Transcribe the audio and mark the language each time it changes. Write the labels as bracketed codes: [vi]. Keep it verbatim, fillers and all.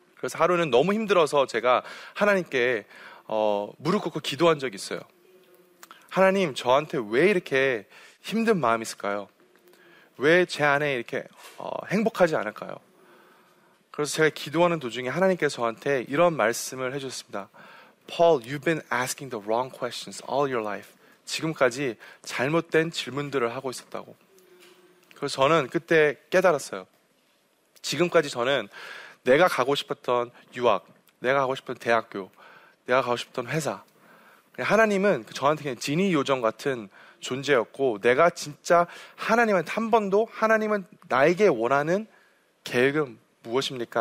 [ko] 그래서 하루는 너무 힘들어서 제가 하나님께 어, 무릎 꿇고 기도한 적이 있어요. 하나님, 저한테 왜 이렇게 힘든 마음이 있을까요? 왜 제 안에 이렇게 어, 행복하지 않을까요? 그래서 제가 기도하는 도중에 하나님께서 저한테 이런 말씀을 해주셨습니다. [en] Paul, you've been asking the wrong questions all your life. [ko] 지금까지 잘못된 질문들을 하고 있었다고. 그래서 저는 그때 깨달았어요. 지금까지 저는 내가 가고 싶었던 유학, 내가 가고 싶었던 대학교, 내가 가고 싶었던 회사. 하나님은 저한테 그냥 지니 요정 같은 존재였고 내가 진짜 하나님한테 한 번도 하나님은 나에게 원하는 계획은 무엇입니까?